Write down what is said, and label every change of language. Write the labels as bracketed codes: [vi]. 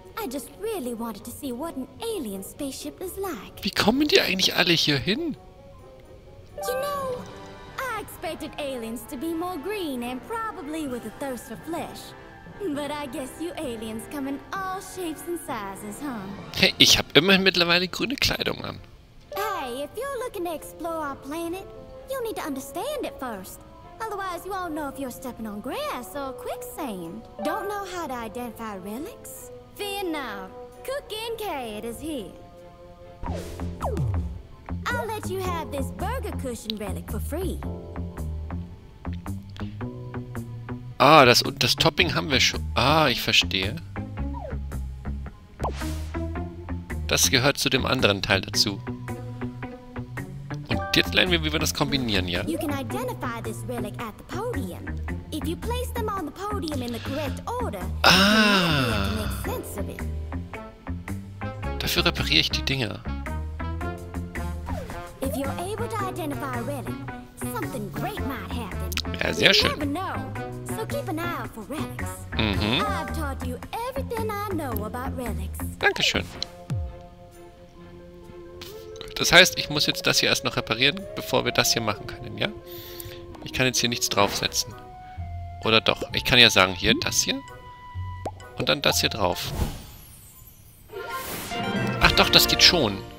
[en] I just really wanted to see what an alien spaceship is like. [de] Wie kommen die eigentlich alle hier hin? [en] You know, I expected aliens to be more green and probably with a thirst for flesh. But I guess you aliens come in all shapes and sizes, huh? [de] Hey, ich hab immerhin mittlerweile grüne Kleidung an. [en] Hey, if you're looking to explore our planet, you need to understand it first. Otherwise, you won't know if you're stepping on grass or quicksand. Don't know how to identify relics? Fear not. Cook and Kaid is here. I'll let you have this burger cushion relic for free. [de] Ah, das Topping haben wir schon. Ah, ich verstehe. Das gehört zu dem anderen Teil dazu. Und jetzt lernen wir, wie wir das kombinieren, ja? [en] You can identify this relic at the podium. If you place them on the podium in the correct order, ah. You can make sense of it. [de] Dafür repariere ich die Dinger. [en] If you're able to identify a relic, something great might happen. [de] Ja, sehr schön. [en] You never know, so keep an eye out for relics. I've taught you everything I know about relics. [de] Dankeschön. Das heißt, ich muss jetzt das hier erst noch reparieren, bevor wir das hier machen können, ja? Ich kann jetzt hier nichts draufsetzen. Oder doch. Ich kann ja sagen, hier, das hier. Und dann das hier drauf. Ach doch, das geht schon.